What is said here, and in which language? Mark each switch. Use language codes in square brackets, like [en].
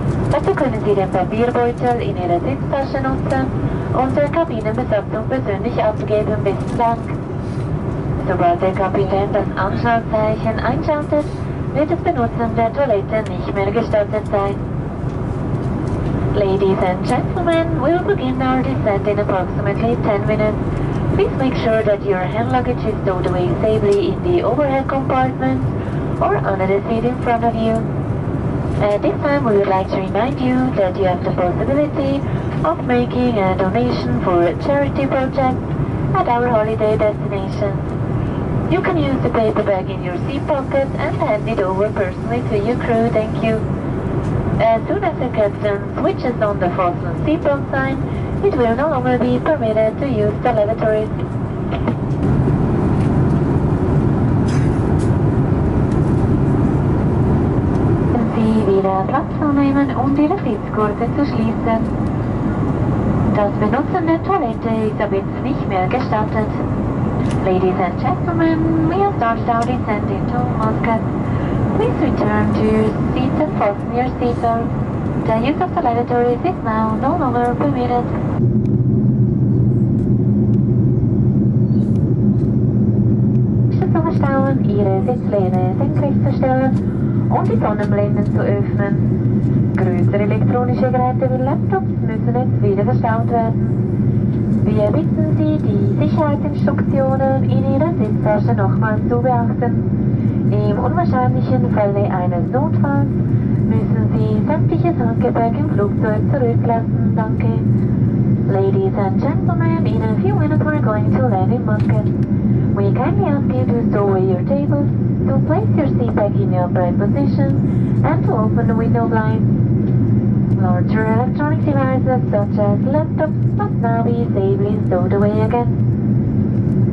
[de] Dazu können Sie den Papierbeutel in Ihrer Sitztasche nutzen und der Kabinenbesatzung persönlich abgeben. Besten Dank. Sobald der Kapitän das Anschaltzeichen einschaltet, wird das Benutzen der Toilette nicht mehr gestattet sein. [en] Ladies and gentlemen, we will begin our descent in approximately 10 minutes. Please make sure that your hand luggage is stowed away safely in the overhead compartment or under the seat in front of you. At this time, we would like to remind you that you have the possibility of making a donation for a charity project at our holiday destination. You can use the paper bag in your seat pocket and hand it over personally to your crew, thank you. As soon as the captain switches on the fasten seatbelt sign, it will no longer be permitted to use the lavatories. [de] Sie wieder Platz zu nehmen und Ihre Sitzgurte zu schließen. Das Benutzen der Toilette ist ab jetzt nicht mehr gestattet. [en] Ladies and gentlemen, we have started our descent into Muscat. Please return to your seat and fasten your seatbelt. The use of the lavatories is now no longer permitted. [de] Bitte zusammenstauen, Ihre Sitzlehne senkrecht zu stellen und die Sonnenblenden zu öffnen. Größere elektronische Geräte wie Laptops müssen jetzt wieder verstaut werden. Wir bitten Sie, die Sicherheitsinstruktionen in Ihrer Sitztasche nochmals zu beachten. Im unwahrscheinlichen Falle eines Notfalls müssen Sie sämtliches Handgepäck im Flugzeug zurücklassen. Danke. [en] Ladies and gentlemen, in a few minutes we're going to land in Muscat. We kindly ask you to stow away your table, to place your seat back in your upright position, and to open the window blinds. Larger electronic devices such as laptops must now be safely stowed away again.